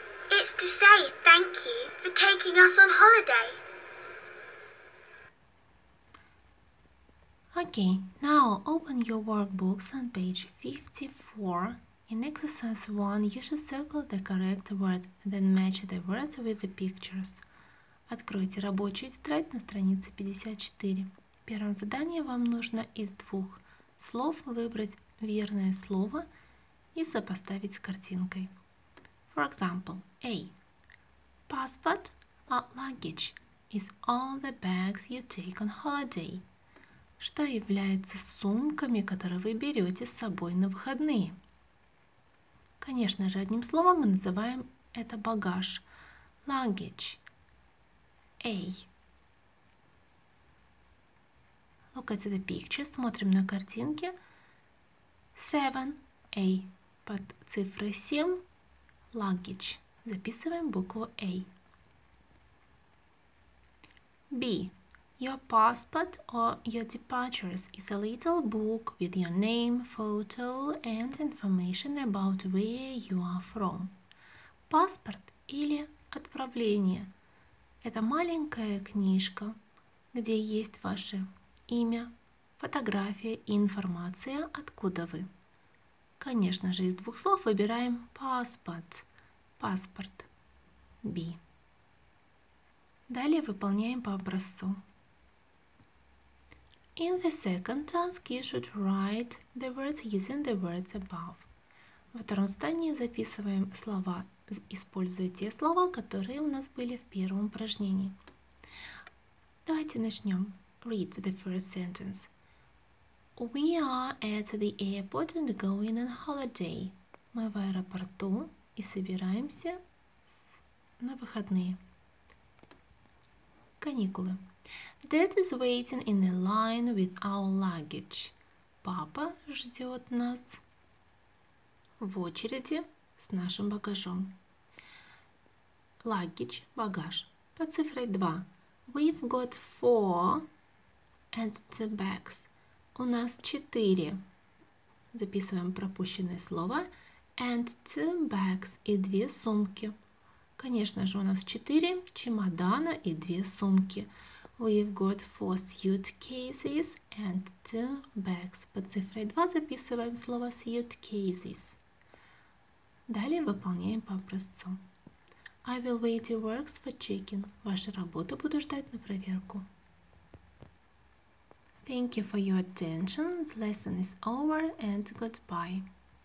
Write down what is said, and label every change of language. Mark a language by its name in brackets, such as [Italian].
[English] It's to say thank you for taking us on holiday. Okay, now open your workbooks on page 54. In exercise 1, you should circle the correct word, then match the words with the pictures. [Russian] Откройте рабочую тетрадь на странице 54. Первым заданием вам нужно из двух слов выбрать верное слово и сопоставить с картинкой. [English] For example, A. Passport or luggage is all the bags you take on holiday. [Russian] Что является сумками, которые вы берете с собой на выходные? Конечно же, одним словом мы называем это багаж. [English] Luggage. A. Look at the picture. [Russian] Смотрим на картинки. [English] 7A. [Russian] Под цифрой 7. Luggage. Записываем букву A. [English] B. Your passport or your departures is a little book with your name, photo and information about where you are from. [Russian] Паспорт или отправление. Это маленькая книжка, где есть ваше имя, фотография и информация, откуда вы. Конечно же, из двух слов выбираем паспорт. Паспорт. B. Далее выполняем по образцу. [English] In the second task, you should write the words using the words above. [Russian] Во втором задании записываем слова, используя те слова, которые у нас были в первом упражнении. Давайте начнем. [English] Read the first sentence. We are at the airport and going on holiday. [Russian] Мы в аэропорту и собираемся на выходные. Каникулы. [English] Dad is waiting in a line with our luggage. [Russian] Папа ждет нас в очереди с нашим багажом. [English] Luggage – багаж. [Russian] По цифре 2. [English] We've got 4 and 2 bags. [Russian] У нас 4. Записываем пропущенное слово. [English] And 2 bags – [Russian] и 2 сумки. Конечно же, у нас 4 чемодана и 2 сумки. [English] We've got 4 suitcases and 2 bags. [Russian] Под цифрой 2 записываем слово suitcases. Далее выполняем по образцу. [English] I will wait your works for checking. [Russian] Вашу работу буду ждать на проверку. [English] Thank you for your attention. The lesson is over and goodbye.